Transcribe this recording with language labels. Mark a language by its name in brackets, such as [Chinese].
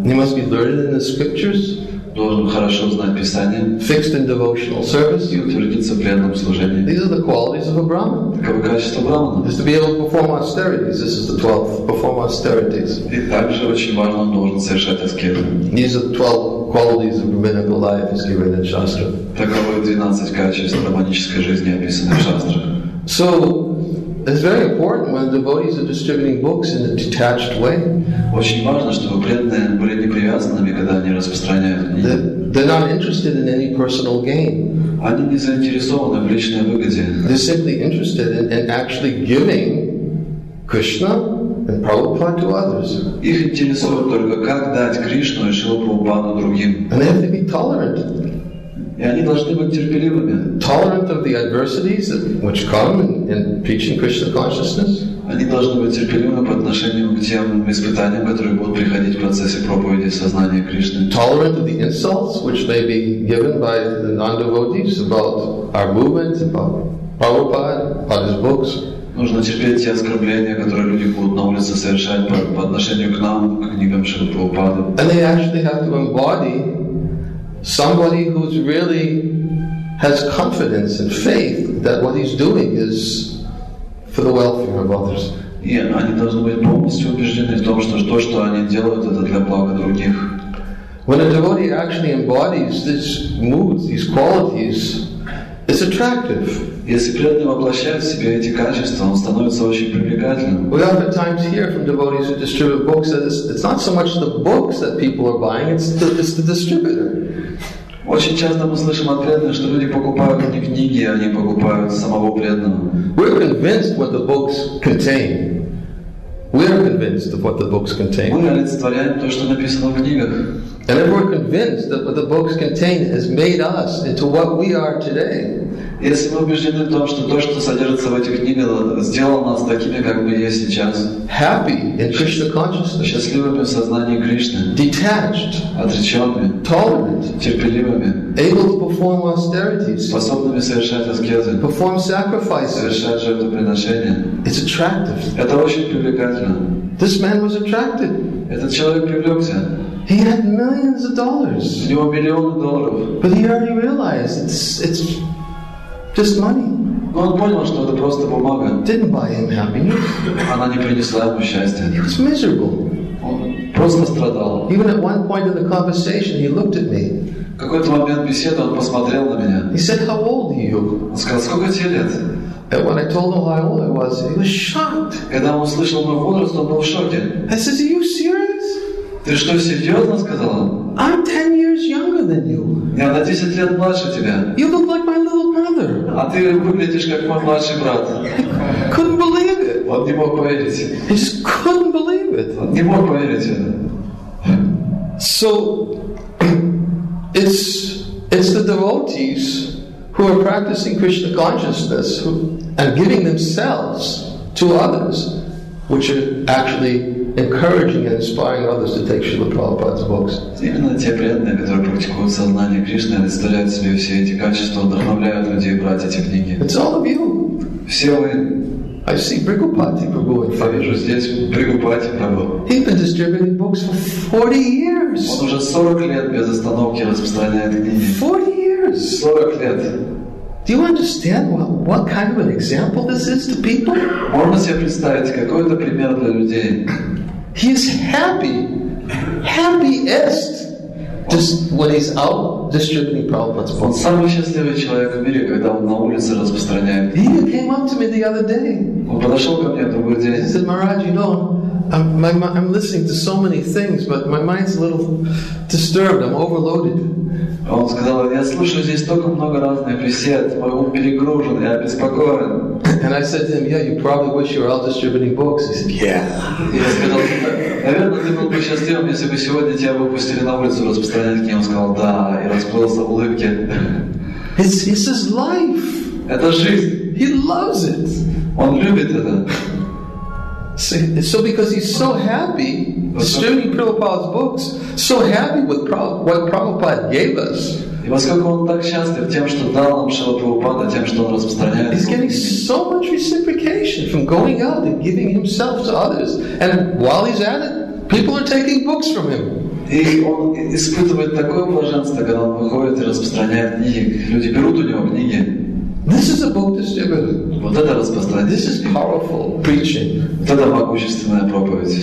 [English] He must be learned in the scriptures, [Russian] должен хорошо знать Писание, [English] fixed in devotional service, [Russian] и утвердиться в преданном служении. [English] These are the qualities of a brahmin. [Russian] Таковы качества брахмана. [English] He has to be able to perform austerities. This is the 12th. Perform austerities. [Russian] И также очень важно, он должен совершать аскезу. [English] These are the 12 qualities of brahminical life as given in Shastra. [Russian] Таковы 12 качеств романической жизни, описанные в Шастре. [English] So, it's very important when devotees are distributing books in a detached way. [Russian] Очень важно, чтобы преданные были непривязанными, когда они распространяют книги. [English] They're not interested in any personal gain. [Russian] Они не заинтересованы в личной выгоде. [English] They're simply interested in actually giving Krishna and Prabhupada to others. [Russian] Их интересует только как дать Кришну и Шрила Прабхупаду другим. [English] And they have to be tolerant. [Russian] И они должны быть терпеливыми. [English] Tolerant of the adversities that, which come in preaching Krishna consciousness. [Russian] Они должны быть терпеливыми по отношению к тем испытаниям, которые будут приходить в процессе проповеди сознания Кришны. [English] Tolerant of the insults which may be given by the non-devotees about our movement, about Prabhupada, about his books. [Russian] Нужно терпеть те оскорбления, которые люди будут на улице совершать по отношению к нам, к книгам Шрилы Прабхупады. [English] And they actually have to embody somebody who really has confidence and faith that what he's doing is for the welfare of others. [Russian] Yeah, они должны быть полностью убеждены в том, что то, что они делают, это для блага других. [English] When a devotee actually embodies these moods, these qualities, it's attractive. [Russian] Если преданный воплощает в себе эти качества, он становится очень привлекательным. [English] We oftentimes hear from devotees who distribute books that it's not so much the books that people are buying, it's the distributor. [Russian] Очень часто мы слышим от преданных, что люди покупают не книги, а они покупают самого преданного. [English] We're convinced what the books contain. We're convinced of what the books contain. [Russian] Мы олицетворяем то, что написано в книгах. [English] And if we're convinced that what the books contain has made us into what we are today. [Russian] Если мы убеждены в том, что то, что содержится в этих книгах, сделало нас такими, как мы есть сейчас. [English] Happy in Krishna consciousness. [Russian] Счастливыми в сознании Кришны. [English] Detached. [Russian] Отреченными. [English] Tolerant. [Russian] Терпеливыми. [English] Able to perform austerities. [Russian] Способными совершать аскезы. [English] Perform sacrifices. [Russian] Совершать жертвоприношения. [English] It's attractive. [Russian] Это очень привлекательно. [English] This man was attracted. [Russian] Этот человек привлекся. [English] He had millions of dollars. [Russian] У него миллионы долларов. [English] But he already realized it's just money. [Russian] Но он понял, что это просто бумага. [English] Didn't buy him happiness. [Russian] Она не принесла ему счастья. [English] He was miserable. [Russian] Он просто страдал. [English] Even at one point in the conversation, he looked at me. [Russian] В какой-то момент беседы он посмотрел на меня. [English] He said, "How old are you?" [Russian] Он сказал, сколько тебе лет? [English] And when I told him how old I was, he was shocked. [Russian] Когда он услышал мой возраст, он был в шоке. [English] I said, "Are you serious?" [Russian] Ты что, серьезно сказал? [English] I'm 10 years younger than you. [Russian] Я на 10 лет младше тебя. [English] You look like my little brother. [Russian] А ты выглядишь как мой младший брат. [English] Couldn't believe it. [Russian] Он не мог поверить. [English] He just couldn't believe it. [Russian] Он не мог поверить это. [English] So it's the devotees who are practicing Krishna consciousness and giving themselves to others, which are actually encouraging and inspiring others to take Srila Prabhupada's books. [Russian] Именно те преданные, которые практикуют сознание Кришны, представляют себе все эти качества, вдохновляют людей брать эти книги. [English] It's all of you. [Russian] Все вы. [English] I see Bhrigupati Prabhu. [Russian] Я вижу здесь Бхригупати Прабху. [English] He's been distributing books for 40 years. [Russian] Он уже 40 лет без остановки распространяет книги. [English] 40 years. [Russian] 40 лет. [English] Do you understand what kind of an example this is to people? [Russian] Можно себе представить, какой это пример для людей? [English] He is happy, happiest, just when he's out distributing Prabhupada's books. [Russian] Он самый счастливый человек в мире, когда он на улице распространяет. [English] He even came up to me the other day. [Russian] Он подошел ко мне другой день. [English] He said, "Maharaj, you know, I'm listening to so many things, but my mind's a little disturbed. I'm overloaded." [Russian] Он сказал, я слушаю здесь столько много разных бесед, мой ум перегружен, я обеспокоен. [English] And I said to him, yeah, you probably wish you were out distributing books. He said, yeah. [Russian] Я сказал, наверное, ты был бы счастливым, если бы сегодня тебя выпустили на улицу распространять книги. Он сказал, да, и расплылся в улыбке. [English] It's his life. [Russian] Это жизнь. [English] He loves it. [Russian] Он любит это. [English] So because he's so happy distributing Prabhupada's books, so happy with what Prabhupada gave us, he's getting so much reciprocation from going out and giving himself to others. And while he's at it, people are taking books from him. [Russian] И он испытывает такое блаженство, когда он выходит и распространяет книги. Люди берут у него книги. [English] This is a book distributor. [Russian] Вот это распространение. [English] This is powerful preaching. [Russian] Вот это могущественная проповедь.